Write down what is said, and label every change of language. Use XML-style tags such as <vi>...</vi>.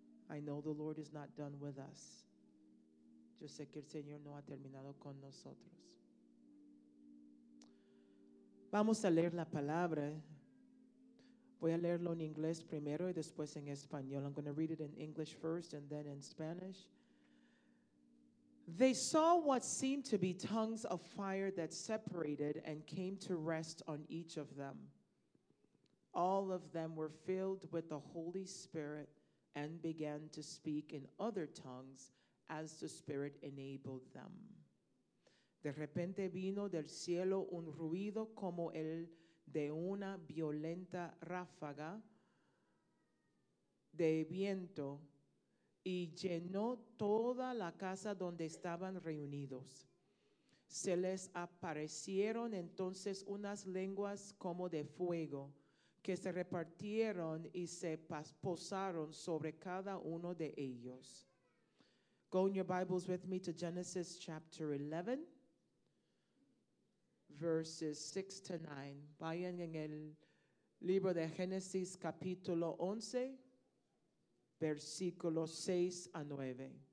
<en>I know the Lord is not done with us.</en> <es>Yo sé que el Señor no ha terminado con nosotros. Vamos a leer la palabra. Voy a leerlo en inglés primero y después en español.</es> <en>I'm going to read it in English first and then in Spanish. They saw what seemed to be tongues of fire that separated and came to rest on each of them. All of them were filled with the Holy Spirit and began to speak in other tongues as the Spirit enabled them.</en> <es>De repente vino del cielo un ruido como el de una violenta ráfaga de viento. Y llenó toda la casa donde estaban reunidos. Se les aparecieron entonces unas lenguas como de fuego, que se repartieron y se posaron sobre cada uno de ellos.</es> <en>Go in your Bibles with me to Genesis chapter 11, verses 6 to 9.</en> <es>Vayan en el libro de Génesis capítulo 11. Versículos 6 a 9.</es>